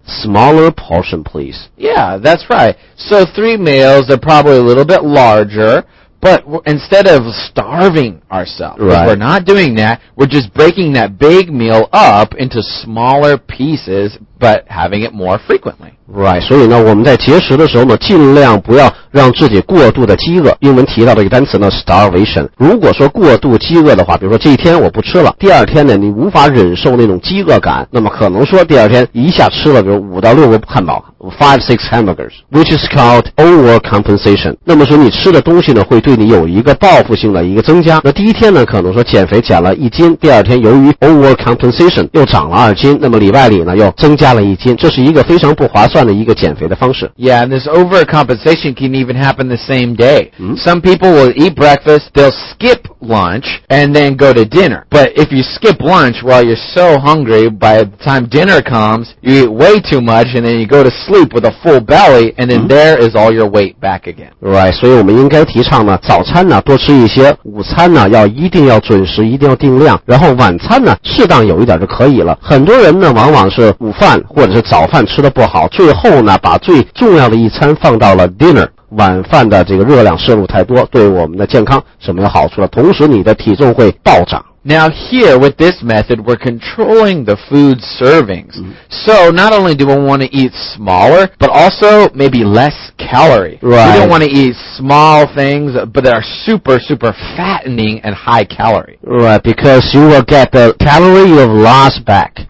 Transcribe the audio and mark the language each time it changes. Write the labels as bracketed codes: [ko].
[en] Smaller portion, please. Yeah, that's right. So three meals are probably a little bit larger. But instead of starving ourselves, right. we're not doing that. We're just breaking that big meal up into smaller pieces, but having it more frequently. Right. [zh] 所以呢，我们在节食的时候呢，尽量不要让自己过度的饥饿。英文提到的一个单词呢 ，starvation。如果说过度饥饿的话，比如说这一天我不吃了，第二天呢，你无法忍受那种饥饿感，那么可能说第二天一下吃了，比如五到六个汉堡 ， [en] five six hamburgers， which is called overcompensation。 [zh] 那么说你吃的东西呢，会对你有一个报复性的一个增加。那第一天呢，可能说减肥减了一斤，第二天由于 overcompensation 又长了二斤，那么里外里呢又增加了一斤，这是一个非常不划算。 [en] Yeah, and this overcompensation can even happen the same day. Some people will eat breakfast, they'll skip lunch, and then go to dinner. But if you skip lunch while you're so hungry, by the time dinner comes, you eat way too much, and then you go to sleep with a full belly, and then there is all your weight back again. [zh] Right, 所以我们应该提倡呢，早餐呢多吃一些，午餐呢要一定要准时，一定要定量，然后晚餐呢适当有一点就可以了。很多人呢往往是午饭或者是早饭吃的不好。最后呢，把最重要的一餐放到了 dinner， 晚饭的这个热量摄入太多，对我们的健康是没有好处的，同时你的体重会暴涨。 [en] Now here with this method, we're controlling the food servings. So not only do we want to eat smaller, but also maybe less calorie. Right. We don't want to eat small things, but that are super, super fattening and high calorie. Right, because you will get the calorie you have lost back.